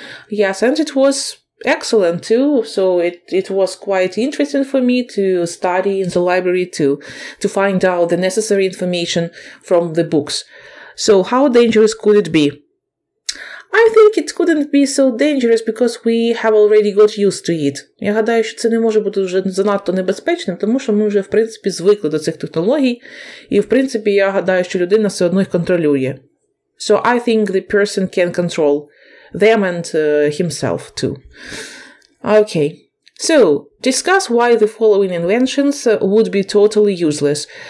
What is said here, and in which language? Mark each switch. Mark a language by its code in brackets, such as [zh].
[en] Yes, and it was excellent too, so it was quite interesting for me to study in the library to find out the necessary information from the books. So how dangerous could it be? I think it couldn't be so dangerous because we have already got used to it. [uk] Я гадаю, що це не може бути вже занадто небезпечним, тому що ми вже в принципі звикли до цих технологій, і в принципі я гадаю, що людина все одно їх контролює. [en] So I think the person can control them and himself too. Okay, so discuss why the following inventions would be totally useless.